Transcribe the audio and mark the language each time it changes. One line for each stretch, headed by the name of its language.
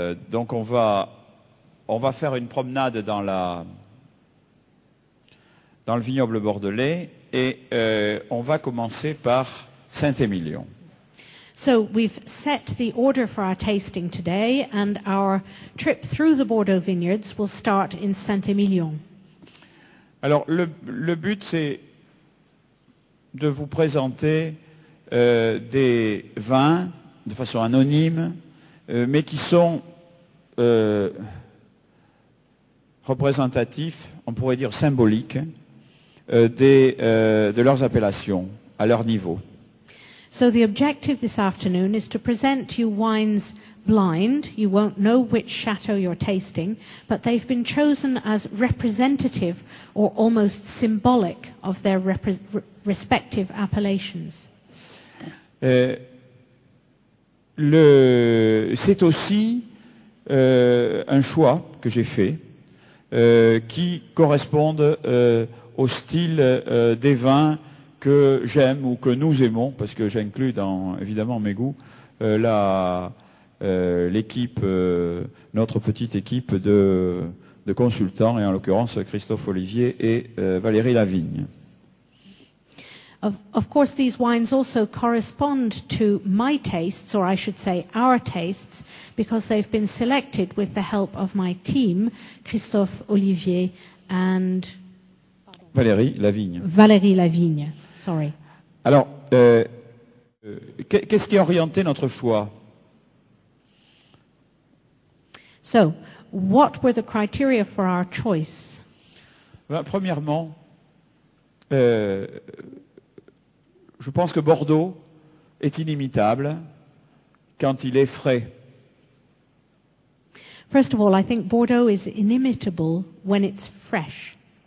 French: Donc on va faire une promenade dans le vignoble bordelais et on va commencer par Saint-Émilion.
English: So we've set the order for our tasting today, and our trip through the Bordeaux vineyards will start in Saint-Émilion.
French: Alors le but c'est de vous présenter des vins de façon anonyme, mais qui sont représentatifs, on pourrait dire symboliques, de leurs appellations à leur niveau.
English: So the objective this afternoon is to present you wines blind. You won't know which château you're tasting, but they've been chosen as representative or almost symbolic of their respective appellations.
French: C'est aussi un choix que j'ai fait qui correspond au style des vins que j'aime ou que nous aimons, parce que j'inclus dans, évidemment, mes goûts, notre petite équipe de consultants, et en l'occurrence Christophe Olivier et Valérie Lavigne.
English: Of course, these wines also correspond to my tastes, or I should say our tastes, because they've been selected with the help of my team, Christophe Olivier and Valérie Lavigne. Valérie Lavigne, sorry.
French: Alors, qu'est-ce qui a orienté notre choix?
English: So, what were the criteria for our choice?
French: Ben, premièrement, je pense que Bordeaux est inimitable quand il est frais.
English: First of all, I think Bordeaux is inimitable when it's fresh.